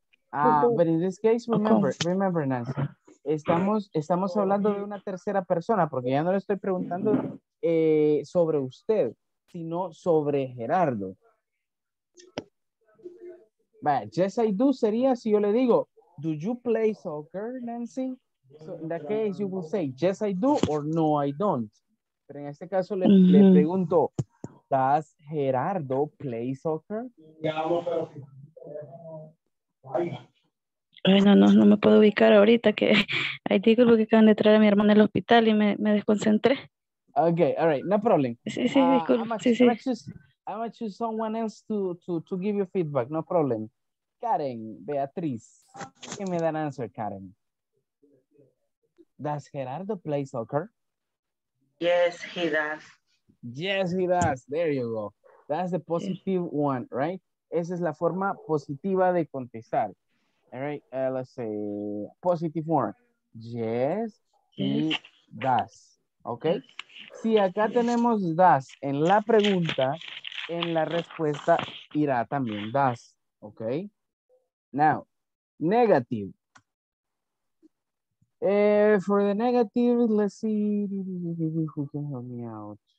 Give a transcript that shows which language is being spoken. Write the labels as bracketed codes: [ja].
[en] But in this case, remember, [es] Nancy, estamos hablando de una tercera persona, porque ya no le estoy preguntando sobre usted, sino sobre Gerardo. [en] But yes, I do [es] sería si yo le digo, [en] do you play soccer, Nancy? So in that case, you will say, yes, I do, or no, I don't. [es] Pero en este caso le pregunto, [en] ¿Does Gerardo play soccer? [es] Bueno, no me puedo ubicar ahorita, que hay disculpas que acaban de traer a mi hermana al hospital y me desconcentré. [en] Okay, all right, no problem. [es] Sí, disculpa. [en] I'm going to choose someone else to give you feedback, no problem. Karen, Beatriz, give me that answer, Karen. Does Gerardo play soccer? Yes, he does. Yes, he does. There you go. That's the positive one, right? [es] Esa es la forma positiva de contestar. [en] All right, let's say positive one. Yes, he does. Okay. [es] Si acá tenemos does en la pregunta, en la respuesta irá también does. [en] Okay. Now, negative. For the negative, let's see who can help me out.